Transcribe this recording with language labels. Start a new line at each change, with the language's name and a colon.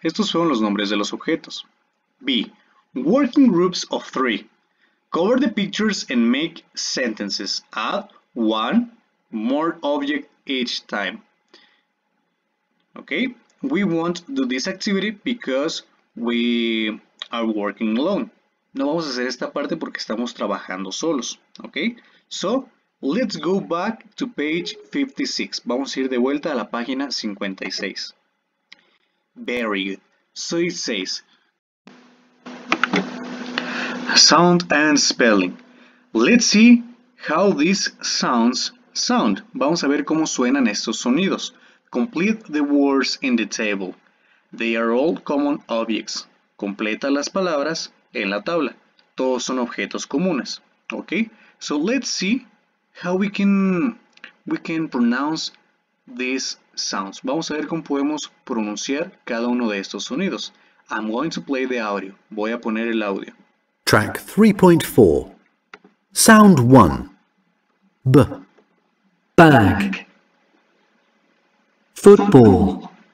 Spanish: Estos fueron los nombres de los objetos.
English: B. Working groups of three. Cover the pictures and make sentences. Add one more object each time. Okay, we won't do this activity because we are working alone.
Spanish: No vamos a hacer esta parte porque estamos trabajando solos.
English: Okay, so let's go back to page 56.
Spanish: Vamos a ir de vuelta a la página 56.
English: Very good. So it says, sound and spelling. Let's see how these sounds sound.
Spanish: Vamos a ver cómo suenan estos sonidos.
English: Complete the words in the table. They are all common objects.
Spanish: Completa las palabras en la tabla. Todos son objetos comunes. Okay?
English: So let's see how we can pronounce these sounds.
Spanish: Vamos a ver cómo podemos pronunciar cada uno de estos sonidos.
English: I'm going to play the audio.
Spanish: Voy a poner el audio.
English: Track 3.4. Sound 1. B. Bag. Football.